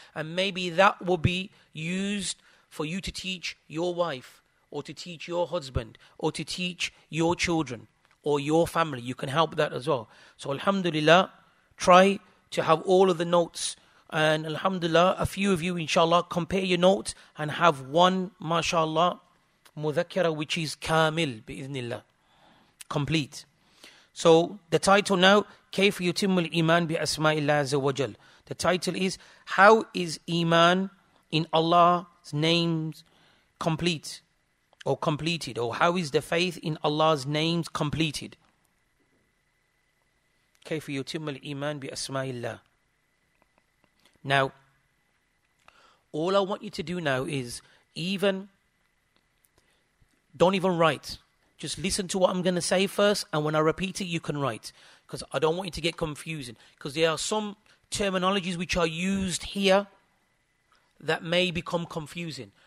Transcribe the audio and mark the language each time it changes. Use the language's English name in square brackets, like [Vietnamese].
[English] And maybe that will be used for you to teach your wife, or to teach your husband, or to teach your children, or your family. You can help that as well. So alhamdulillah, try to have all of the notes. And alhamdulillah, a few of you, inshallah, compare your notes and have one, mashallah, mudhakira, which is kamil, bi-idhnillah, complete. So the title now, [Arabic] كيف يتم الإيمان بأسماء الله عز وجل. [English] The title is, how is Iman in Allah's names complete? Or completed, or how is the faith in Allah's names completed? [Arabic] كيف يتم الإيمان بأسماء الله. [English] Now, all I want you to do now is even, don't even write. Just listen to what I'm going to say first, and when I repeat it, you can write. Because I don't want you to get confusing. Because there are some terminologies which are used here that may become confusing.